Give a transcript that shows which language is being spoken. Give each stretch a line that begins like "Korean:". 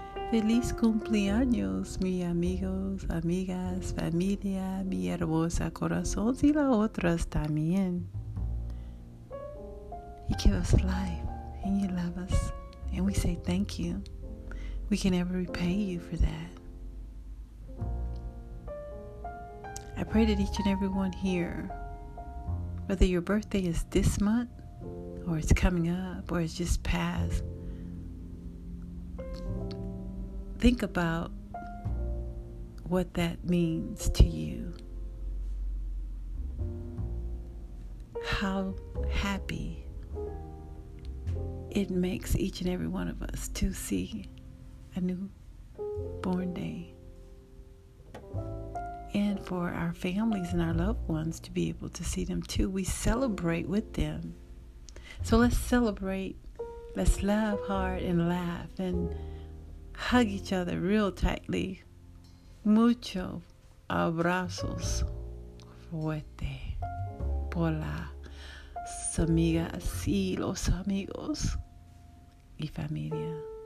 Spanish: Feliz cumpleaños, mi amigos, amigas, familia, mi hermosa corazón y las otras también.
English: You give us life and you love us and we say thank you. We can never repay you for that. I pray that each and everyone here, whether your birthday is this month or it's coming up or it's just passed, think about what that means to you. How happy it makes each and every one of us to see a new born day. And for our families and our loved ones to be able to see them too. We celebrate with them. So let's celebrate. Let's love hard and laugh and hug each other real tightly.
Spanish: Mucho abrazos fuerte por las amigas y los amigos y familia.